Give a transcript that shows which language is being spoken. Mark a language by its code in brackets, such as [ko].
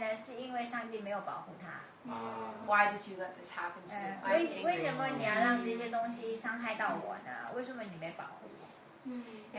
[zh] 因为他觉得说他所受的伤害呢，是因为上帝没有保护他。 [en] Why did you let this happen to me? [zh] 为什么你要让这些东西伤害到我呢？为什么你没保护我？